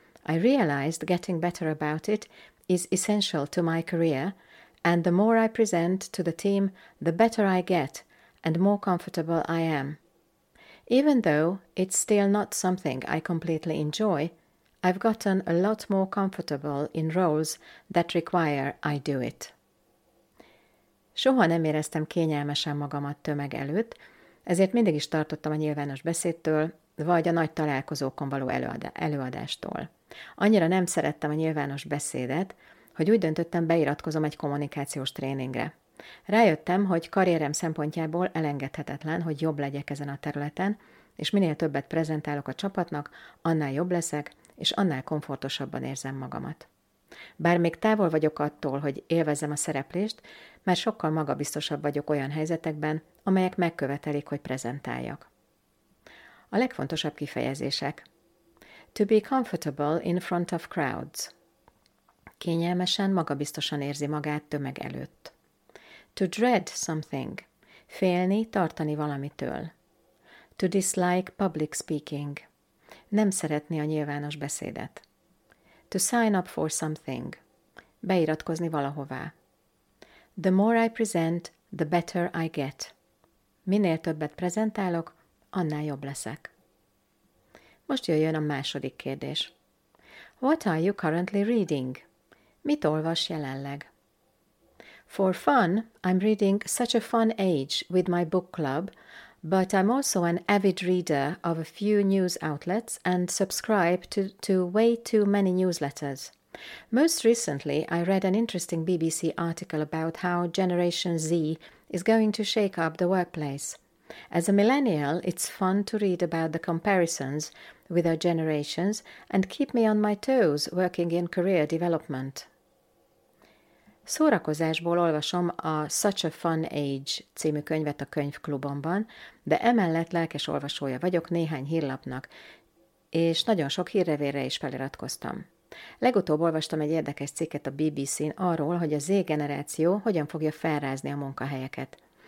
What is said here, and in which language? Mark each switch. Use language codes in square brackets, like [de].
[en] I realized getting better about it is essential to my career, and the more I present to the team, the better I get and more comfortable I am. Even though it's still not something I completely enjoy, I've gotten a lot more comfortable in roles that require I do it. [hu] Soha nem éreztem kényelmesen magamat tömeg előtt, ezért mindig is tartottam a nyilvános beszédtől, vagy a nagy találkozókon való előadástól. Annyira nem szerettem a nyilvános beszédet, hogy úgy döntöttem, beiratkozom egy kommunikációs tréningre. Rájöttem, hogy karrierem szempontjából elengedhetetlen, hogy jobb legyek ezen a területen, és minél többet prezentálok a csapatnak, annál jobb leszek, és annál komfortosabban érzem magamat. Bár még távol vagyok attól, hogy élvezzem a szereplést, már sokkal magabiztosabb vagyok olyan helyzetekben, amelyek megkövetelik, hogy prezentáljak. A legfontosabb kifejezések. [en] To be comfortable in front of crowds. [hu] Kényelmesen, magabiztosan érzi magát tömeg előtt. [en] To dread something. [hu] Félni, tartani valamitől. [en] To dislike public speaking. [hu] Nem szeretni a nyilvános beszédet. [en] To sign up for something. [hu] Beiratkozni valahová. [en] The more I present, the better I get. [hu] Minél többet prezentálok, annál jobb leszek. Most jöjjön a második kérdés. [en] What are you currently reading? [hu] Mit olvas jelenleg? [en] For fun, I'm reading Such a Fun Age with my book club, but I'm also an avid reader of a few news outlets and subscribe to way too many newsletters. Most recently, I read an interesting BBC article about how Generation Z is going to shake up the workplace. As a millennial, it's fun to read about the comparisons with our generations and keep me on my toes working in career development. [hu] Szórakozásból olvasom a Such a Fun Age című könyvet a könyvklubomban, de emellett lelkes olvasója vagyok néhány hírlapnak, és nagyon sok hírlevélre is feliratkoztam. Legutóbb olvastam egy érdekes cikket a BBC-n arról, hogy a Z-generáció hogyan fogja felrázni a munkahelyeket.